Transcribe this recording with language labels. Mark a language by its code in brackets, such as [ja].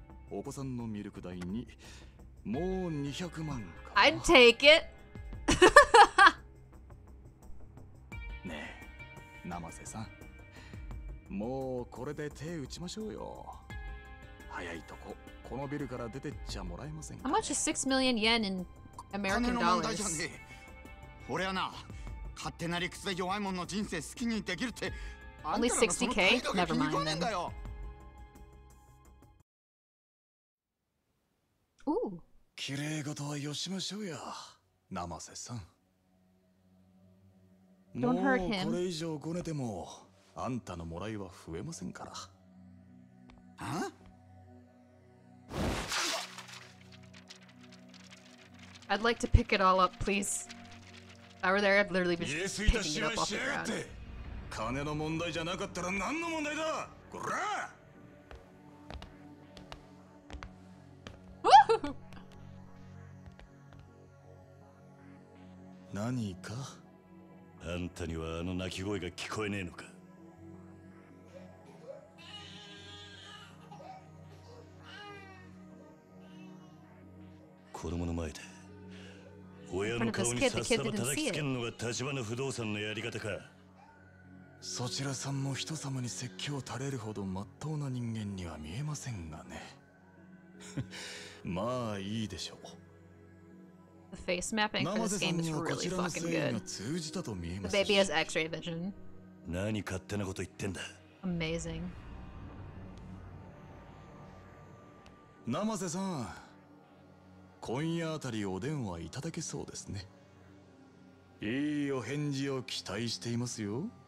[ja] お子さんのミルク代にもう200万か。 [en] I'd take it! [ja] ねえ、ナマセさん。もうこれで手打ちましょうよ。早いとこ、このビルから出てっちゃもらえませんか、 [en] ね、How much is 6 million yen in American dollars? [ja] 金の問題じゃねえ。俺はな、勝手な理屈で弱いもんの人生好きにできるって、あんたらのその態度が気に食わねえんだよ。綺麗事はよしましょうや、ナマセさん。もうこれ以上ごねてもあんたのもらいは増えませんから。あ？ [en] I'd like to pick it all up, please. If I were there, I'd literally be picking it up off the ground. [ja] 金の問題じゃなかったら何の問題だ？こら！何か？あんたにはあの鳴き声が聞こえねえのか？子供の前で親の顔にさっさと叩きつけるのが立花不動産のやり方か？そちらさんも人様に説教を垂れるほど真っ当な人間には見えませんがね。まあいいでしょう。 [en] The face mapping for this game is really fucking good. The baby has X-ray vision. [ja] 何勝手なこと言ってんだ。 [en] Amazing. [ja] ナマセさん、今夜あたりお電話いただけそうですね。いいお返事を期待していますよ。